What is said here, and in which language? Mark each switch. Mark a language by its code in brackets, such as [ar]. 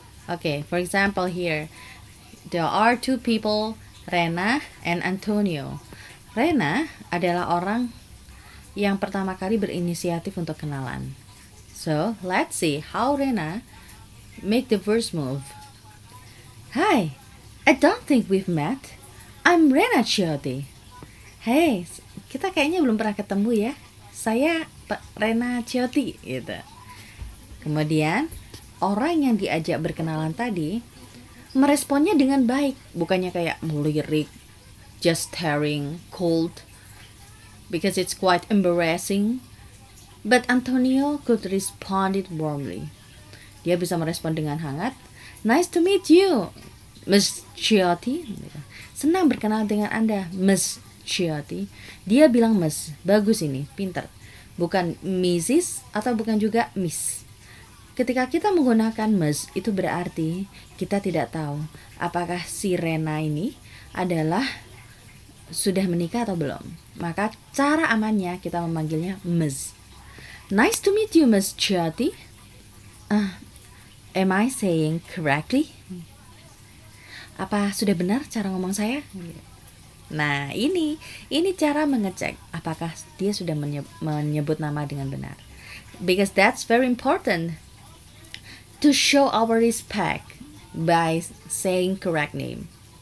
[en] Okay, for example here, there are two people, Rena and Antonio. [id] Rena adalah orang yang pertama kali berinisiatif untuk kenalan. [en] So, let's see how Rena make the first move. Hi, I don't think we've met. I'm Rena Ciotti. [id] Hey, kita kayaknya belum pernah ketemu ya. Saya Rena Ciotti, gitu. Kemudian, orang yang diajak berkenalan tadi meresponnya dengan baik. Bukannya kayak melirik, [en] just staring, cold, because it's quite embarrassing. But Antonio could respond it warmly. [id] Dia bisa merespon dengan hangat. [en] Nice to meet you, Miss Ciotti. [id] Senang berkenalan dengan Anda, Miss Ciotti. Dia bilang Miss. Bagus ini, pinter. Bukan Mrs. atau bukan juga Miss. Ketika kita menggunakan Miss, itu berarti kita tidak tahu apakah si Rena ini adalah sudah menikah atau belum. Maka cara amannya kita memanggilnya Miss. [en] Nice to meet you, Miss Ciotti. Am I saying correctly? [id] Apa sudah benar cara ngomong saya? Nah, ini cara mengecek apakah dia sudah menyebut nama dengan benar. [en] Because that's very important to show our respect by saying correct name.